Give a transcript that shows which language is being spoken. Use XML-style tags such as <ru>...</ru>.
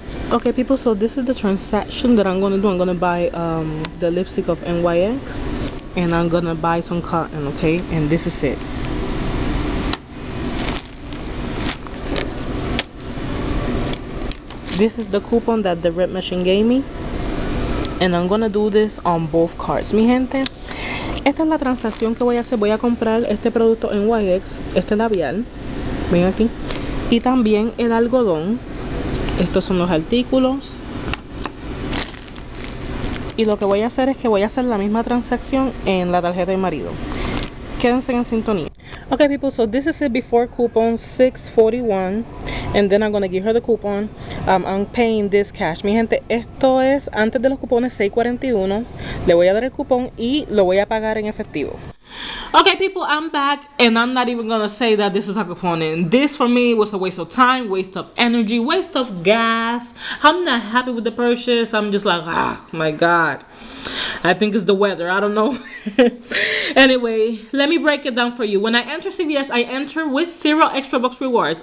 <en>Ok, people, so this is the transaction that I'm going to do. I'm going to buy the lipstick of NYX. And I'm going to buy some cotton, ¿ok? And this is it. This is the coupon that the red machine gave me. And I'm gonna do this on both cards.</en> <es>Mi gente, esta es la transacción que voy a hacer. Voy a comprar este producto en NYX, este labial. Ven aquí. Y también el algodón. Estos son los artículos. Y lo que voy a hacer es que voy a hacer la misma transacción en la tarjeta de marido. Quédense en sintonía.</es> <en>Okay, people, so this is it before coupon, $6.41. And then I'm going to give her the coupon. I'm paying this cash.</en> <es>Mi gente, esto es antes de los cupones, $6.41. Le voy a dar el cupón y lo voy a pagar en efectivo.</es> <en>Okay, people, I'm back. And I'm not even going to say that this is a coupon. This, for me, was a waste of time, waste of energy, waste of gas. I'm not happy with the purchase. I'm just like, ah, my God. I think it's the weather. I don't know. Anyway, let me break it down for you. When I enter CVS, I enter with zero extra bucks rewards.</en>